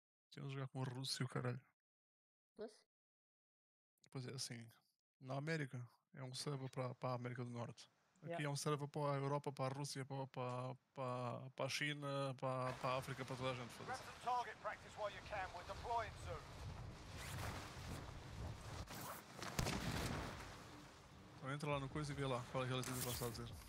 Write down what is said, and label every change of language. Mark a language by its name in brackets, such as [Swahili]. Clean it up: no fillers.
[Portuguese] Tinha de jogar com o russo e o caralho. Doce? Pois é, assim. Na América, é um server para a América do Norte. [English] Aqui yeah. [Portuguese] É um server para a Europa, para a Rússia, para a China, para a África, para toda a gente. [English] Grab some target practice while you can, we're deploying soon. [Portuguese] Então entra lá no coisa e vê lá qual é a realidade que você está a dizer.